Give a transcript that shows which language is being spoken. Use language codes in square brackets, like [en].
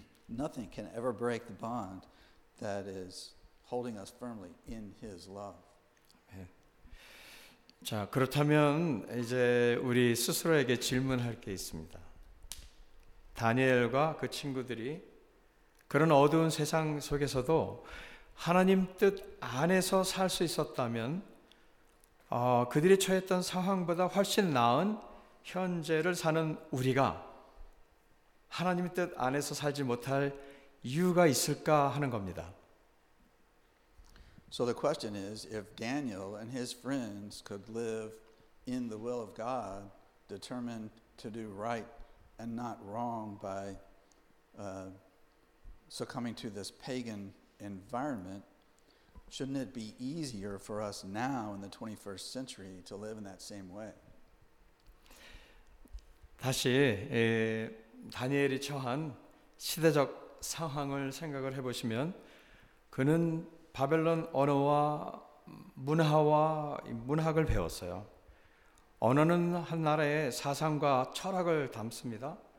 [en] Nothing can ever break the bond that is holding us firmly in His love. [ko] 자, 그렇다면 이제 우리 스스로에게 질문할 게 있습니다. 다니엘과 그 친구들이 그런 어두운 세상 속에서도 하나님 뜻 안에서 살 수 있었다면 그들이 처했던 상황보다 훨씬 나은 현재를 사는 우리가 하나님 뜻 안에서 살지 못할 이유가 있을까 하는 겁니다. [en] So the question is, if Daniel and his friends could live in the will of God, determined to do right and not wrong by succumbing to this pagan environment, shouldn't it be easier for us now in the 21st century to live in that same way? [ko] 다시 다니엘이 처한 시대적 상황을 생각을 해보시면 그는 바벨론 언어와 문화와 문학을 배웠어요. 언어는 한 나라의 사상과 철학을 담습니다.